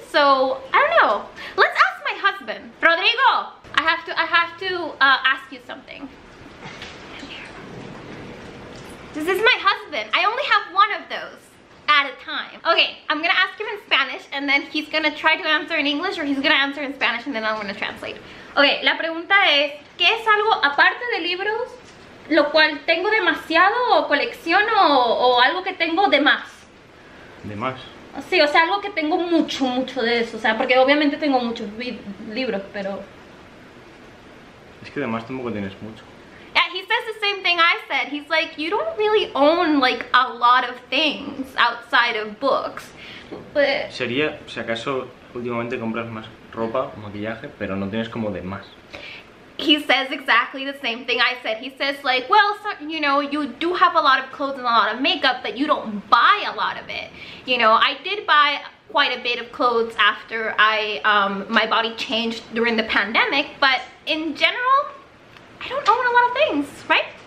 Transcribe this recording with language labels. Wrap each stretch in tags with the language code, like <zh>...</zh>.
<en>So I don't know, let's ask my husband. Rodrigo, I have to ask you something. This is my husband. I only have one of those at a time. Okay, I'm gonna ask him in Spanish and then he's gonna try to answer in English, or he's gonna answer in Spanish and then I'm gonna translate.</en> <es>Okay, la pregunta es, ¿qué es algo aparte de libros lo cual tengo demasiado o colecciono o algo que tengo de más? ¿De más? Sí, o sea, algo que tengo mucho, mucho de eso. O sea, porque obviamente tengo muchos libros, pero... Es que de más tampoco tienes mucho.</es> <en>Yeah, he says the same thing I said. He's like, you don't really own like a lot of things outside of books. But...</en> <es>Sería, si acaso, últimamente compras más ropa o maquillaje, pero no tienes como de más.</es> <en>He says exactly the same thing I said. He says like, well, so, you know, you do have a lot of clothes and a lot of makeup, but you don't buy a lot of it. You know, I did buy quite a bit of clothes after my body changed during the pandemic, but in general, I don't own a lot of things, right?</en>